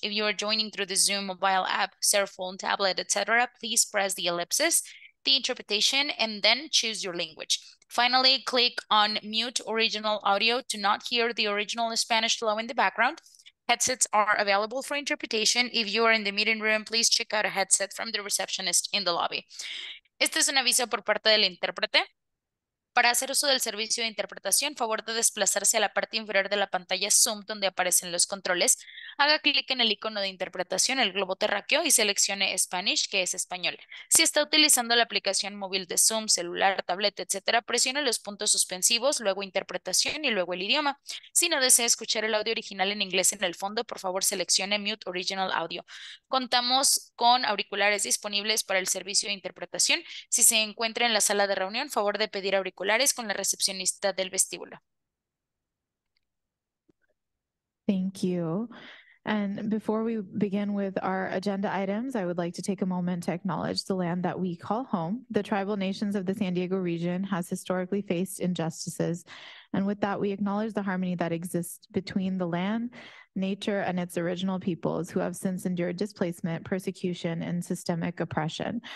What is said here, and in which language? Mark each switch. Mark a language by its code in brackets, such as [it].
[en] If you are joining through the Zoom mobile app, cell phone, tablet, etc., please press the ellipsis, the interpretation, and then choose your language. Finally, click on mute original audio to not hear the original Spanish flow in the background. Headsets are available for interpretation. If you are in the meeting room, please check out a headset from the receptionist in the lobby. [es] Este es un aviso por parte del intérprete. Para hacer uso del servicio de interpretación, favor de desplazarse a la parte inferior de la pantalla Zoom donde aparecen los controles. Haga clic en el icono de interpretación, el globo terráqueo, y seleccione Spanish, que es español. Si está utilizando la aplicación móvil de Zoom, celular, tablet, etc., presione los puntos suspensivos, luego interpretación y luego el idioma. Si no desea escuchar el audio original en inglés en el fondo, por favor seleccione Mute Original Audio. Contamos con auriculares disponibles para el servicio de interpretación. Si se encuentra en la sala de reunión, favor de pedir auriculares con la recepcionista del vestíbulo. [en] Thank you. And before we begin with our agenda items, I would like to take a moment to acknowledge the land that we call home. The tribal nations of the San Diego region has historically faced injustices. And with that, we acknowledge the harmony that exists between the land, nature, and its original peoples who have since endured displacement, persecution, and systemic oppression.